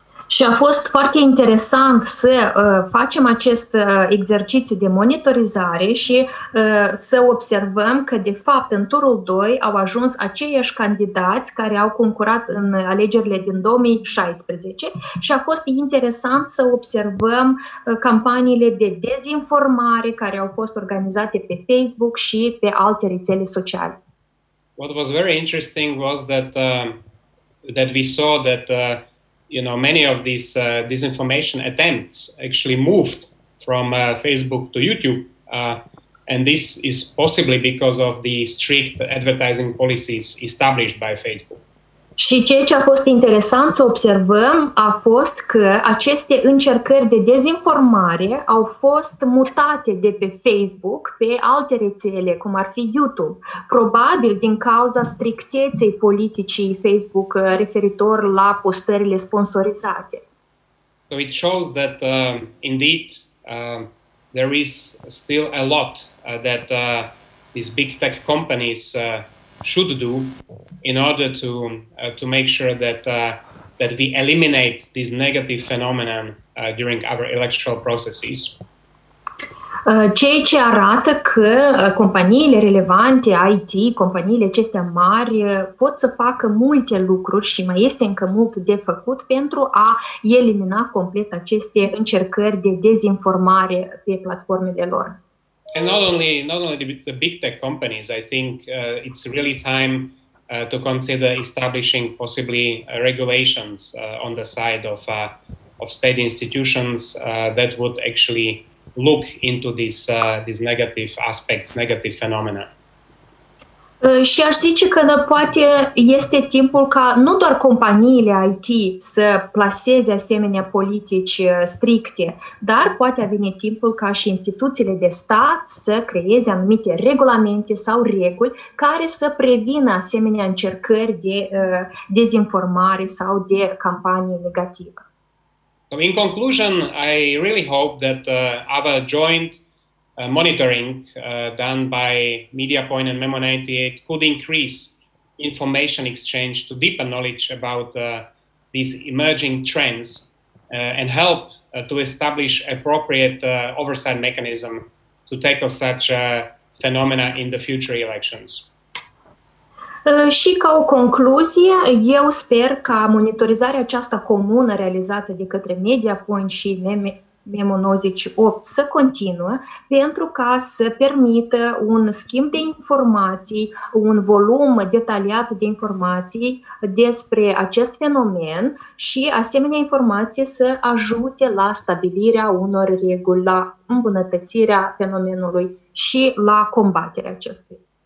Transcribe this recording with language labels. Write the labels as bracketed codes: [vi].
[ro] Și a fost foarte interesant să facem acest exercițiu de monitorizare și să observăm că, de fapt, în turul 2 au ajuns aceiași candidați care au concurat în alegerile din 2016 și a fost interesant să observăm campaniile de dezinformare care au fost organizate pe Facebook și pe alte rețele sociale. [en] What was very interesting was that that we saw that many of these disinformation attempts actually moved from Facebook to YouTube, and this is possibly because of the strict advertising policies established by Facebook. [ro] Și ceea ce a fost interesant să observăm a fost că aceste încercări de dezinformare au fost mutate de pe Facebook pe alte rețele, cum ar fi YouTube, probabil din cauza stricteței politicii Facebook referitor la postările sponsorizate. [en] So it shows that indeed there is still a lot that these big tech companies should do in order to make sure that that we eliminate this negative phenomenon during our electoral processes. [ro] Ceea ce arată că companiile relevante, IT, companiile acestea mari, pot să facă multe lucruri și mai este încă mult de făcut pentru a elimina complet aceste încercări de dezinformare pe platformele lor. [en] And not only the big tech companies, I think it's really time to consider establishing possibly regulations on the side of of state institutions that would actually look into these negative aspects, negative phenomena. [ro] Și aș zice că poate este timpul ca nu doar companiile IT să plaseze asemenea politici stricte, dar poate a venit timpul ca și instituțiile de stat să creeze anumite regulamente sau reguli care să prevină asemenea încercări de dezinformare sau de campanie negativă. [en] So in conclusion, I really hope that our joint monitoring done by MediaPoint and Memo 98 could increase information exchange to deepen knowledge about these emerging trends and help to establish appropriate oversight mechanism to tackle such phenomena in the future elections. [ro] Și ca o concluzie, eu sper ca monitorizarea aceasta comună realizată de către MediaPoint și Memo 98 să continuă pentru ca să permită un schimb de informații, un volum detaliat de informații despre acest fenomen și asemenea informații să ajute la stabilirea unor reguli, la îmbunătățirea fenomenului și la combaterea acestui.